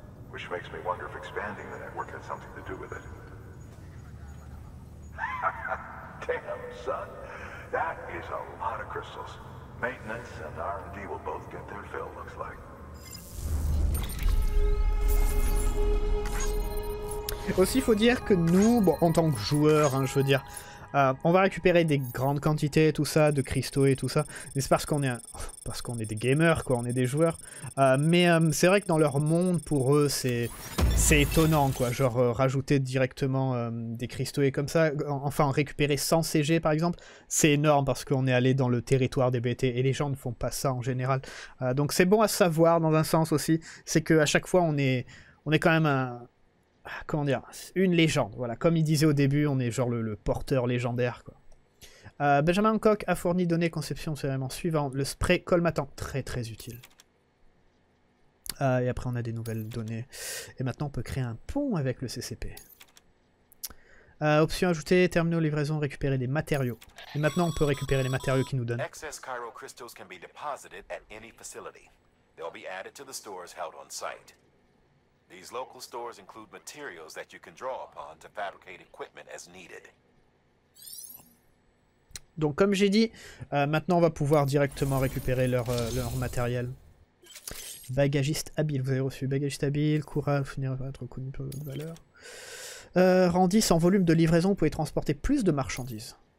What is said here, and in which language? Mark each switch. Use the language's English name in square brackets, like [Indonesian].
[English] Which makes me wonder if expanding the network had something to do with it. Damn, son. That is a lot of crystals. Maintenance and R&D will both get their fill, looks like. [French] Aussi, faut dire que nous, bon, en tant que joueurs, hein, je veux dire... on va récupérer des grandes quantités tout ça, de cristaux et tout ça. Mais c'est parce qu'on est des gamers, quoi, on est des joueurs. C'est vrai que dans leur monde, pour eux, c'est étonnant, quoi. Genre, rajouter directement des cristaux et comme ça. Enfin, récupérer 100 CG, par exemple, c'est énorme parce qu'on est allé dans le territoire des BT. Et les gens ne font pas ça, en général. Donc, c'est bon à savoir, dans un sens aussi. C'est qu'à chaque fois, on est quand même... Comment dire, une légende, voilà. Comme il disait au début, on est genre le porteur légendaire, quoi. Benjamin Hancock a fourni données conception vraiment suivant le spray colmatant, très très utile. Et après on a des nouvelles données. Et maintenant on peut créer un pont avec le CCP. Option ajoutée, terminaux livraison, récupérer des matériaux. Et maintenant on peut récupérer les matériaux qu'il nous donne. [English] Excess chiral crystals can be deposited at any facility. They'll be added to the stores held on site. These local stores include materials that you can draw upon to fabricate equipment as needed. [French] Donc comme j'ai dit, maintenant on va pouvoir directement récupérer leur matériel. Bagagiste habile, vous avez reçu bagagiste habile, courage, finir par être reconnu pour votre valeur. Rang 10 en volume de livraison, vous pouvez transporter plus de marchandises.